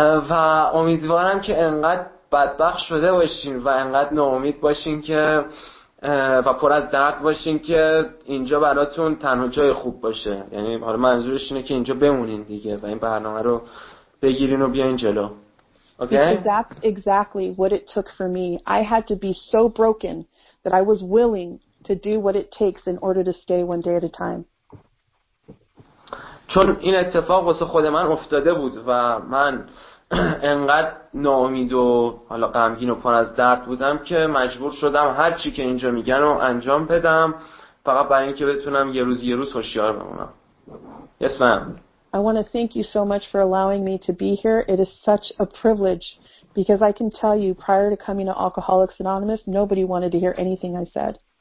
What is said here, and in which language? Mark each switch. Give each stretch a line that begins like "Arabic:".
Persian: و امیدوارم که انقدر بدبخت شده باشین و انقدر ناامید باشین که و پر از درد باشین که اینجا براتون تنها جای خوب باشه. یعنی حالا منظورش اینه که اینجا بمونین دیگه و این برنامه رو بگیرین و بیاین جلو.
English: Exactly what it took for me. I had to be so broken that I was willing to do what it takes in order to stay one day at a time.
Persian: چون این اتفاق واسه خود من افتاده بود و من انقدر ناامید و حالا غمگین و پر از درد بودم که مجبور شدم هر چی که اینجا میگن رو انجام بدم فقط برای اینکه بتونم یه روز یه روز هوشیار بمونم.
English: Yes, ma'am. I want to thank you so much for allowing me to be here. It is such a privilege because I can tell you prior to coming to Alcoholics Anonymous, nobody wanted to hear anything I said.